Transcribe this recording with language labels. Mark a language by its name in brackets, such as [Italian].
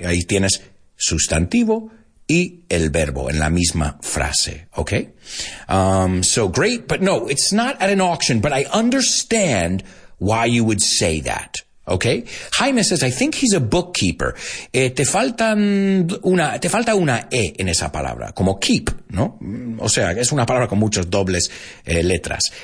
[Spanish] Ahí tienes sustantivo y el verbo en la misma frase. [English] Okay? So great, but no, it's not at an auction, but I understand why you would say that. Okay? Jaime says, I think he's a bookkeeper. [Spanish] Te falta una E en esa palabra, como keep, ¿no? O sea, es una palabra con muchas dobles letras.